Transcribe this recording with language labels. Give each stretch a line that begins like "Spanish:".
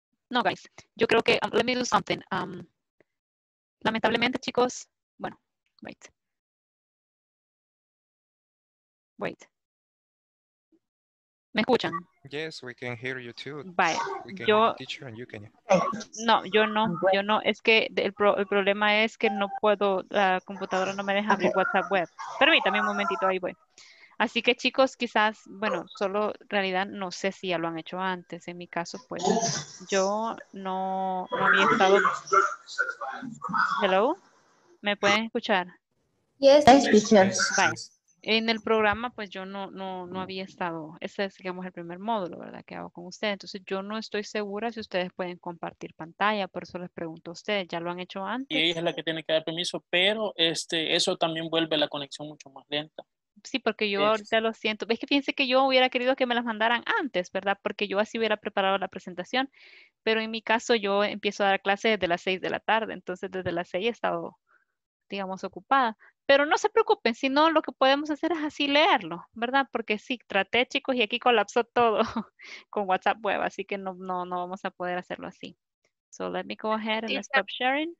Spanish: No, guys, yo creo que,
English: let me do something.
Spanish: Lamentablemente, chicos, bueno,
English: wait. Wait.
Spanish: ¿Me escuchan?
English: Yes, we can hear you too. Bye. We can hear the teacher and you can.
Spanish: No, yo no. Yo no. Es que el problema es que no puedo, la computadora no me deja abrir WhatsApp web. Permítame un momentito, ahí voy. Así que chicos, quizás, bueno, solo en realidad no sé si ya lo han hecho antes. En mi caso, pues, yo no había estado.
English: Hello?
Spanish: ¿Me pueden escuchar?
English: Yes, teacher. Bye.
Spanish: En el programa, pues yo no había estado, ese es, digamos, el primer módulo, ¿verdad?, que hago con ustedes. Entonces, yo no estoy segura si ustedes pueden compartir pantalla, por eso les pregunto a ustedes, ¿ya lo han hecho antes? Y ella es la que tiene que dar permiso, pero eso también vuelve la conexión mucho más lenta. Sí, porque yo ahorita lo siento. Es que fíjense que yo hubiera querido que me las mandaran antes, ¿verdad? Porque yo así hubiera preparado la presentación, pero en mi caso yo empiezo a dar clase desde las 6 de la tarde, entonces desde las 6 he estado, digamos, ocupada. Pero no se preocupen, sino lo que podemos hacer es así leerlo, ¿verdad? Porque sí, traté, chicos, y aquí colapsó todo con WhatsApp web, así que no vamos a poder hacerlo así.
English: So let me go ahead and stop sharing.